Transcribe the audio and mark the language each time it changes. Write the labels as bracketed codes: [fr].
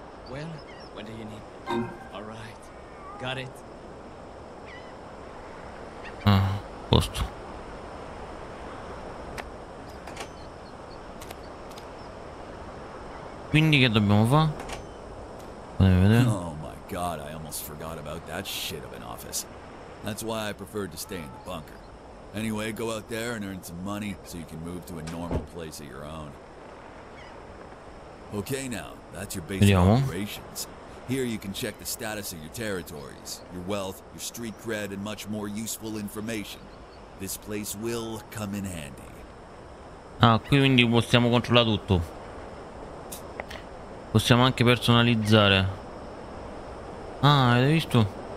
[en] Well, what do you need? All right. Got it. [it] Posto. Quindi che dobbiamo fare? Vedere. [en] Oh my god, I almost forgot about that shit of an office. That's why I preferred to stay in the bunker. Anyway, go out there and earn some money so you can move to a normal place of your own. Okay now, that's your basic operations. Here you can check the status of your territories, your wealth, your street cred, and much more useful information. This place will come in handy. [it] Ah, quindi possiamo controllare tutto. Possiamo anche personalizzare. Ah, hai visto?